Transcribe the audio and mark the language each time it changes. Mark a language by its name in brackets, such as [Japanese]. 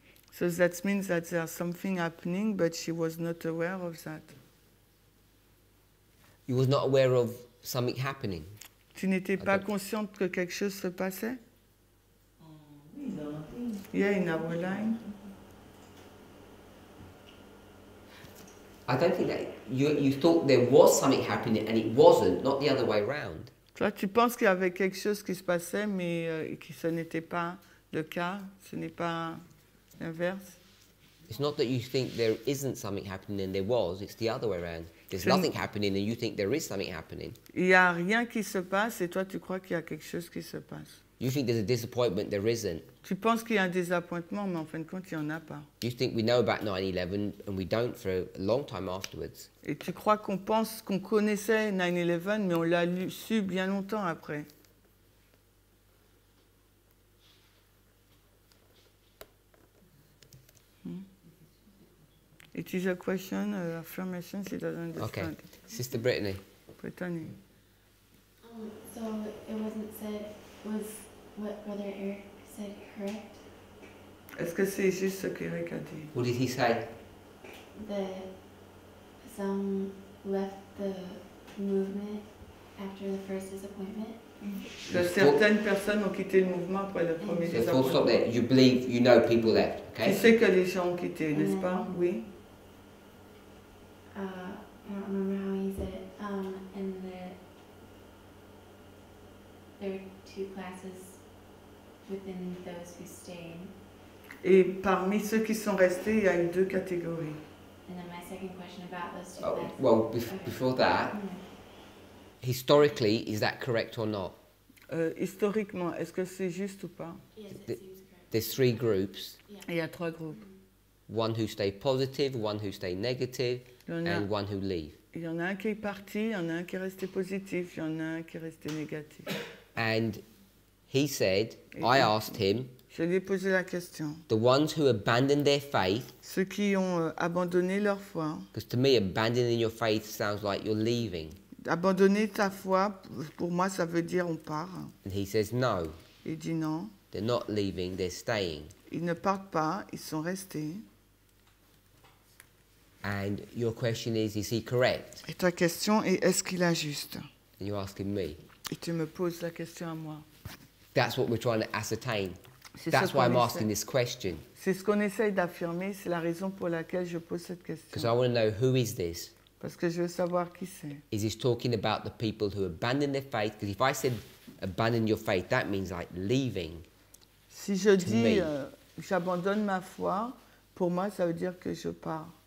[English] So that means that there's something happening, but she was not aware of that. You was not aware of something happening. [French] Tu n'étais pas consciente que quelque chose se passait? Oui, [English] in our line. I don't think that you thought there was something happening and it wasn't, not the other way around. [French] Toi, tu penses qu'il y avait quelque chose qui se passait, mais que ce n'était pas le cas. Ce n'est pas. [English] It's not that you think there isn't something happening and there was, it's the other way around. There's nothing happening and you think there is something happening. [French] Il y a rien qui se passe et toi tu crois qu'il y a quelque chose qui se passe. [English] You think there's a disappointment, there isn't. [French] Tu penses qu'il y a un désappointement mais en fin de compte il n'y en a pas. [English] You think we know about 9/11 and we don't for a long time afterwards. [French] Et tu crois qu'on pense qu'on connaissait 9/11 mais on l'a su bien longtemps après. [English] It is a question, an affirmation, she doesn't understand. Okay. Sister Brittany. Brittany. So it wasn't said, was what Brother Eric said correct? [French] Est-ce que c'est juste ce qu'Eric a dit? [English] What did he say? That some left the movement after the first disappointment. [French] Certaines personnes ont quitté le mouvement après le premier désappointement. [English] Full stop there. You believe, you know people left, okay? [French] Tu sais que les gens ont quitté, n'est-ce pas? Oui. [English] I don't remember how he said it. And the... There were two classes within those who stayed. [French] Et parmi ceux qui sont restés, il y a eu deux catégories. [English] And then my second question about those two classes. Well, before that, historically, is that correct or not? [French] Historiquement, est-ce que c'est juste ou pas? [English] There's three groups. [French] Il y a trois groupes. [English] One who stay positive, one who stay negative, and one who leave. [French] Il y en a un qui est parti, il y en a un qui est resté positif, il y en a un qui est resté négatif. [English] And he said, I asked him, [French] je lui ai posé la question. [English] The ones who abandoned their faith, [French] ceux qui ont abandonné leur foi. [English] Because to me, abandoning your faith sounds like you're leaving. [French] Abandonner ta foi, pour moi, ça veut dire on part. [English] And he says no. [French] Il dit non. [English] They're not leaving, they're staying. [French] Ils ne partent pas, ils sont restés. [English] And your question is he correct? [French] Et ta question est-ce qu'il est juste? [English] And you're asking me. [French] Et tu me poses la question à moi. [English] That's what we're trying to ascertain. That's why I'm asking this question. [French] C'est ce qu'on essaye d'affirmer, c'est la raison pour laquelle je pose cette question. [English] Because I want to know who is this. [French] Parce que je veux savoir qui c'est. [English] Is he talking about the people who abandon their faith? Because if I said abandon your faith, that means like leaving. [French] Si je dis j'abandonne ma foi, pour moi ça veut dire que je pars.